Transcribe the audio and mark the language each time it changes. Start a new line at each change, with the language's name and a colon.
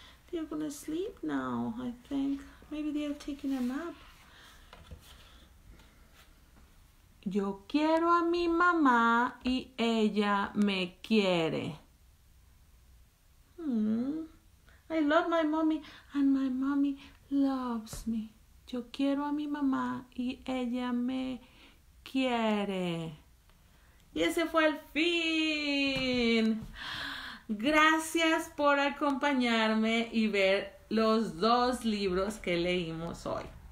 English: They're gonna sleep now, I think. Maybe they have taken a nap.
Spanish: Yo quiero a mi mamá y ella me quiere. I
English: love my mommy and my mommy loves me.
Spanish: Yo quiero a mi mamá y ella me quiere. Y ese fue el fin. Gracias por acompañarme y ver los dos libros que leímos hoy.